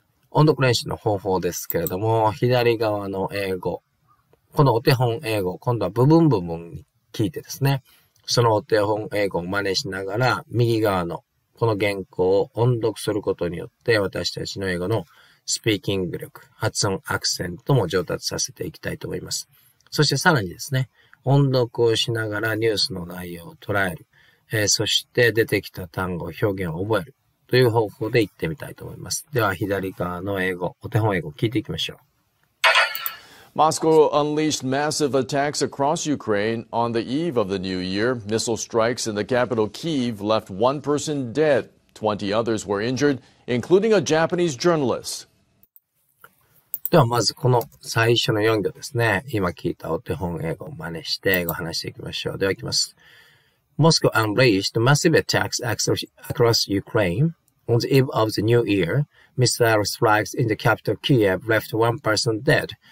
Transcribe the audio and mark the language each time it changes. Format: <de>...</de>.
<ja>音読練習の方法ですけれども、左側の英語、このお手本英語、今度は部分部分に聞いてですね、そのお手本英語を真似しながら、右側のこの原稿を音読することによって、私たちの英語のスピーキング力、発音アクセントも上達させていきたいと思います。そしてさらにですね、音読をしながらニュースの内容を捉える、そして出てきた単語、表現を覚えるという方法で行ってみたいと思います。では左側の英語、お手本英語を聞いていきましょう。</ja> <en>Moscow unleashed massive attacks across Ukraine on the eve of the new year. Missile strikes in the capital Kyiv left one person dead. 20 others were injured, including a Japanese journalist.</en> <ja>ではまずこの最初の4行ですね。今聞いたお手本英語を真似して英語を話していきましょう。では行きます。</ja> <en>Moscow unleashed massive attacks across Ukraine on the eve of the new year. Missile strikes in the capital Kyiv left one person dead.</en>